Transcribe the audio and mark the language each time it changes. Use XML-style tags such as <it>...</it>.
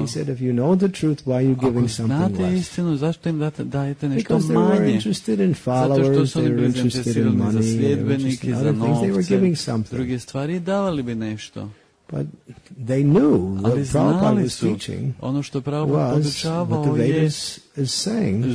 <en>He said, if you know the truth, why are you giving something less?</en> <hr>Ako znate istinu, zašto im dajete nešto</hr> <en>because</en> <hr>manje?</hr> <en>Because they were interested in followers,</en> <hr>zato što su</hr> <en>they were interested in money,</en> <hr>za sljedbenike, za novce,</hr> <en>they were giving something.</en> <hr>Druge stvari, davali bi nešto.</hr> <en>But they knew</en> <hr>ali</hr> <en>what Prabhupada was teaching</en> <hr>ono što Prabhupada</hr> <en>was what the Vedas is saying.</en>